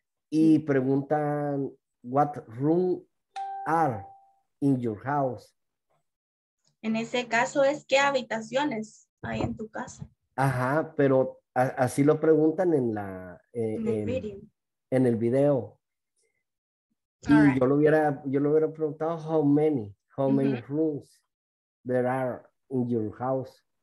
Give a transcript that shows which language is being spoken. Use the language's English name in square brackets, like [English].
[Spanish] Y preguntan [English] what room are in your house. [Spanish] En ese caso es qué habitaciones hay en tu casa. Ajá, pero así lo preguntan en la en el video. [English] All y right. [Spanish] yo lo hubiera preguntado [English] how many rooms. There are in your house.